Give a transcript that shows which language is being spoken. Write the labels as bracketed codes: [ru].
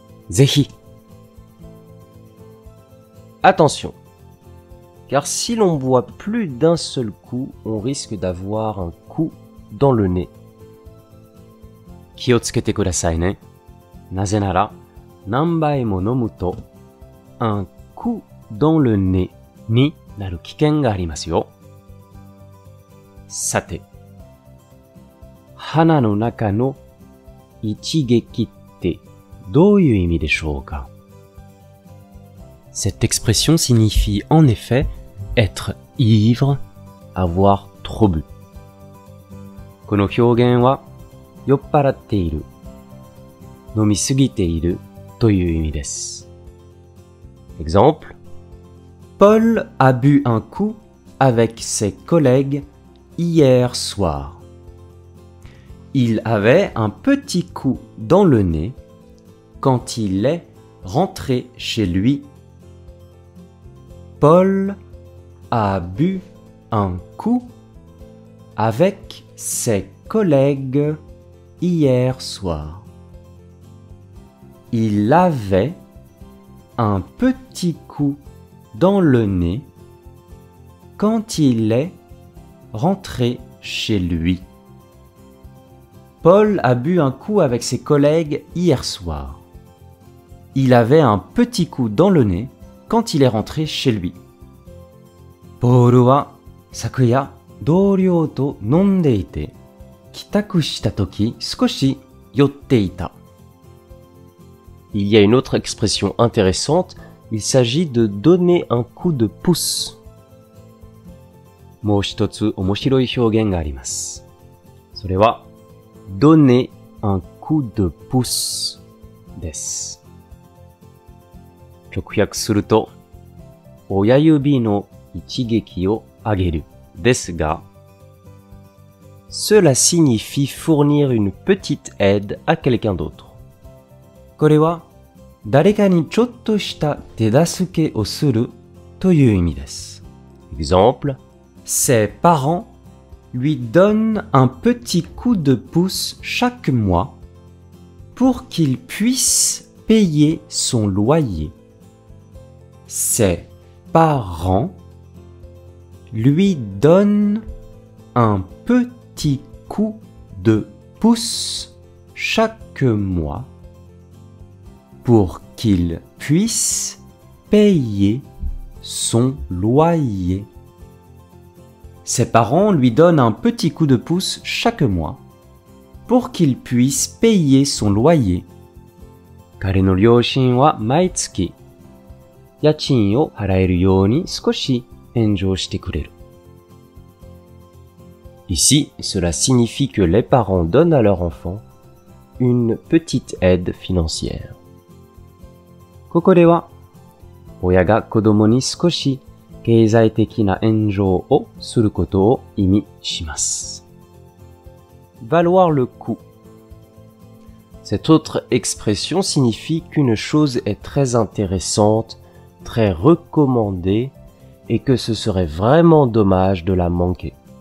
[ja] ぜひ。 [fr] Attention, car si l'on boit plus d'un seul coup, on risque d'avoir un coup dans le nez. [ja] 気をつけてくださいね。なぜなら、何杯も飲むと、un coup dans le nez になる危険がありますよ。さて、鼻の中の一撃ってどういう意味でしょうか? [fr] Cette expression signifie en effet être ivre, avoir trop bu. [ja] この表現は酔っ払っている、飲みすぎているという意味です。 [fr] Exemple: Paul a bu un coup avec ses collègues hier soir. Il avait un petit coup dans le nez quand il est rentré chez lui. Paul a bu un coup avec ses collègues hier soir. Il avait un petit coup dans le nez quand il est rentré chez lui. Paul a bu un coup avec ses collègues hier soir. Il avait un petit coup dans le nez quand il est rentré chez lui. [ja] Paul は昨夜同僚と飲んでいて、帰宅した時少し酔っていた。 [fr] Il y a une autre expression intéressante, il s'agit de donner un coup de pouce. [ja] もう一つ面白い表現があります。それは、donner un coup de pouce です。直訳すると、親指の一撃をあげるですが、 [fr] cela signifie fournir une petite aide à quelqu'un d'autre. [ja] これは、誰かにちょっとした手助けをするという意味です。 [fr] Exemple, ses parents lui donnent un petit coup de pouce chaque mois pour qu'il puisse payer son loyer. Ses parents lui donnent un petit coup de pouce chaque mois. Pour qu'il puisse payer son loyer. Ses parents lui donnent un petit coup de pouce chaque mois pour qu'il puisse payer son loyer. [ja] 彼の両親は毎月家賃を払えるように少し援助してくれる。 [fr] Ici, cela signifie que les parents donnent à leur enfant une petite aide financière. [ja] ここでは、親が子供に少し経済的な援助をすることを意味します。 [fr] Valoir le coup. Cette autre expression signifie qu'une chose est très intéressante, très recommandée et que ce serait vraiment dommage de la manquer.